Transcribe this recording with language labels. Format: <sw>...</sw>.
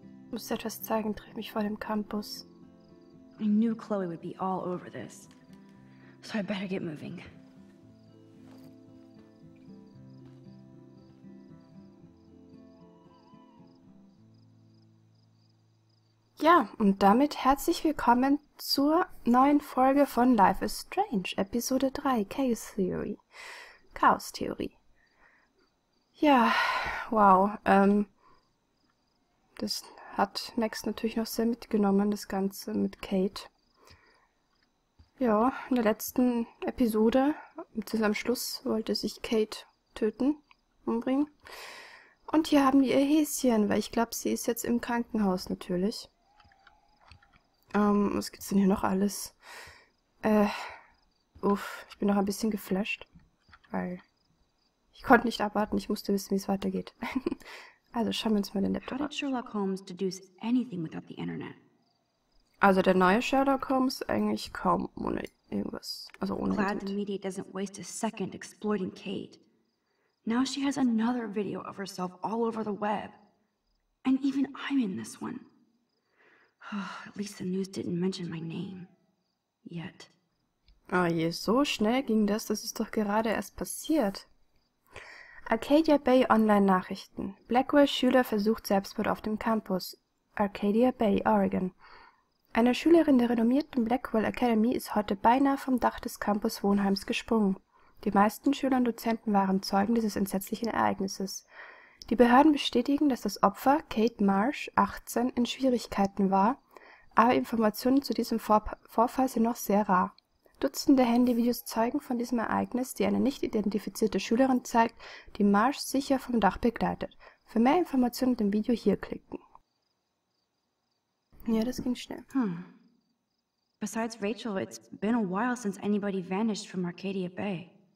<de>Muss etwas zeigen, trifft mich vor dem Campus.</de> <en>I knew Chloe would be all over this. So I better get moving.</en> <de>Ja, und damit herzlich willkommen zur neuen Folge von Life is Strange, Episode 3, Chaos Theory. Chaos-Theorie. Ja, wow. Das hat Max natürlich noch sehr mitgenommen, das Ganze mit Kate. Ja, in der letzten Episode, bis am Schluss, wollte sich Kate töten, umbringen. Und hier haben wir ihr Häschen, weil ich glaube, sie ist jetzt im Krankenhaus natürlich. Was gibt's denn hier noch alles? Ich bin noch ein bisschen geflasht, weil ich konnte nicht abwarten, ich musste wissen, wie es weitergeht. Also schauen wir uns mal den Laptop an.</de> <en>How did Sherlock Holmes deduce anything without the internet?</en> <de>Also der neue Sherlock Holmes eigentlich kaum ohne irgendwas, also ohne Internet.</de> <en>Glad the media doesn't waste a second exploiting Kate. Now she has another video of herself all over the web. And even I'm in this one. Oh, at least the news didn't mention my name yet.</en> <de>Oh je, so schnell ging das, das ist doch gerade erst passiert. Arcadia Bay Online-Nachrichten. Blackwell-Schüler versucht Selbstmord auf dem Campus. Arcadia Bay, Oregon. Eine Schülerin der renommierten Blackwell Academy ist heute beinahe vom Dach des Campus-Wohnheims gesprungen. Die meisten Schüler und Dozenten waren Zeugen dieses entsetzlichen Ereignisses. Die Behörden bestätigen, dass das Opfer, Kate Marsh, 18, in Schwierigkeiten war, aber Informationen zu diesem Vorfall sind noch sehr rar. Dutzende Handyvideos zeugen von diesem Ereignis, die eine nicht identifizierte Schülerin zeigt, die Marsh sicher vom Dach begleitet. Für mehr Informationen mit dem Video hier klicken. Ja, das ging schnell. Hm.</de> <en>Besides Rachel, it's been a while since anybody vanished from Arcadia Bay.</en>